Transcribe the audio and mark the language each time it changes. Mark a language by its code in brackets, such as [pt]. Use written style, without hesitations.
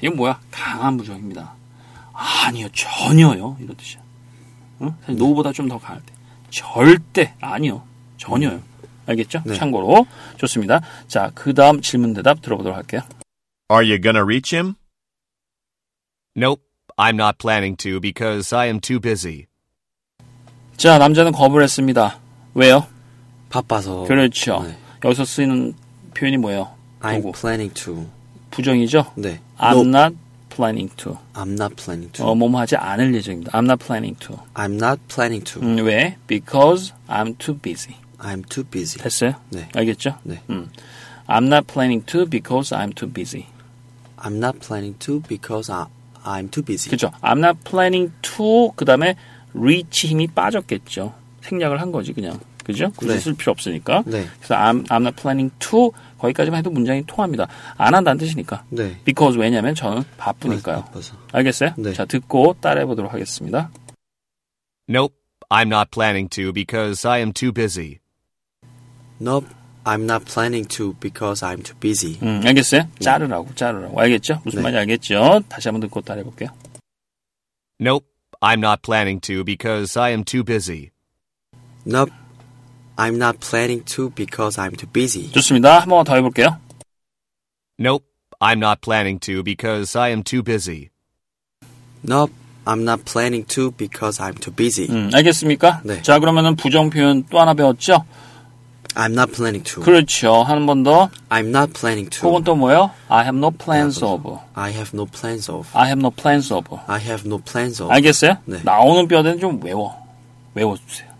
[ko] 이건 뭐야? 강한 부정입니다. 아니요. 전혀요. 이런 뜻이야. 응? 사실 네. no보다 좀 더 강할 때. 절대 아니요. 전혀요. 알겠죠? 네. 참고로. 좋습니다. 자, 그 다음 질문 대답 들어보도록 할게요. [en] Are you gonna reach him? Nope. I'm not planning to because I am too busy. [ko] 자, 남자는 거부를 했습니다. 왜요? 바빠서. 그렇죠. 네. 여기서 쓰이는 표현이 뭐예요? [en] I'm [ko] 누구? [en] planning to. [ko] 부정이죠? 네. [en] I'm nope. not planning to. I'm not planning to. [ko] 어, 뭐뭐 하지 않을 예정입니다. [en] I'm not planning to. I'm not planning to. [ko] 왜? [en] Because I'm too busy. I'm too busy. [ko] 됐어요? 네. 알겠죠? 네. [en] I'm not planning to because I'm too busy. I'm not planning to because I'm too busy. [ko] 그렇죠. [en] I'm not planning to [ko] 그다음에 reach 힘이 빠졌겠죠. 생략을 한 거지 그냥. 그죠? 굳이 네. 쓸 필요 없으니까. 네. 그래서 [en] I'm not planning to [ko] 거기까지만 해도 문장이 통합니다. 안 한다는 뜻이니까. 네. [en] Because [ko] 왜냐면 저는 바쁘니까요. 바빠서. 알겠어요? 네. 자, 듣고 따라해 보도록 하겠습니다. [en] Nope, I'm not planning to because I am too busy. Nope, I'm not planning to because I'm too busy. [ko] 알겠어요? 네. 자르라고, 자르라고. 알겠죠? 무슨 네. 말인지 알겠죠? 다시 한번 듣고 따라해 볼게요. [en] Nope. I'm not planning to because I am too busy. Nope. I'm not planning to because I'm too busy. [ko] 좋습니다. 한 번 더 해볼게요. [en] Nope. I'm not planning to because I am too busy. Nope. I'm not planning to because I'm too busy. [ko] 알겠습니까? 네. 자, 그러면은 부정 표현 또 하나 배웠죠? [en] I'm not planning to. [ko] 그렇죠. 한 번 더. [en] I'm not planning to. [ko] 혹은 또 뭐예요? [en] I have no plans of. I have no plans of. I have no plans of. I have no plans of. [ko] 알겠어요? 네. 나오는 뼈대는 좀 외워. 외워주세요.